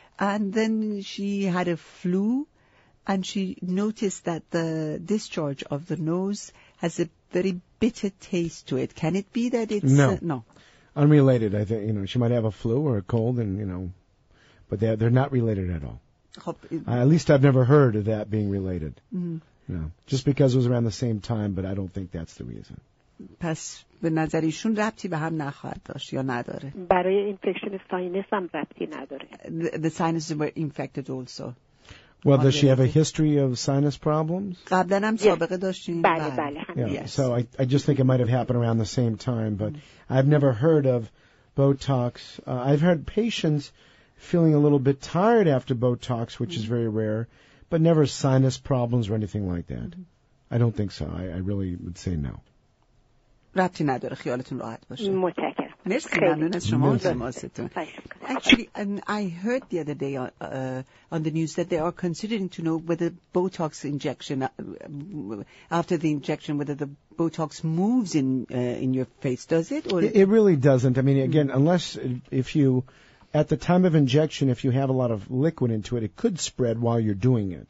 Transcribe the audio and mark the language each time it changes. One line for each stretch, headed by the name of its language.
English: And then she had a flu and she noticed that the discharge of the nose has a very bitter taste to it. Can it be that it's no. Unrelated. I think, you know, she might have a flu or a cold and, you know, but they're not related at all. At least I've never heard of that being related. Mm-hmm. No. Just because it was around the same time, but I don't think that's the reason.
Persian: پس به نظر ایشون ربطی به هم نخواهد داشت یا نداره؟ برای اینفکشن ساینس هم ربطی نداره.
English: The sinuses were infected also. Well, does she have a history of sinus problems?
Persian: قبلا هم سابقه داشتین؟ بله، بله، همین.
English: Yeah. So I just think it might have happened around the same time, but I've never heard of Botox. I've heard patients feeling a little bit tired after Botox, which is very rare, but never sinus problems or anything like that. I don't think so. I really would say no.
Persian: ربطی نداره، خیالتون راحت باشه. متشکرم. مرسی، ممنون از شما و تماستون.
English: Actually, and I heard the other day on the news that they are considering to know whether Botox injection after the injection whether the Botox moves in your face. Does it? Or it really doesn't. I mean, again, unless if you at the time of injection, if you have a lot of liquid into it, it could spread while you're doing it.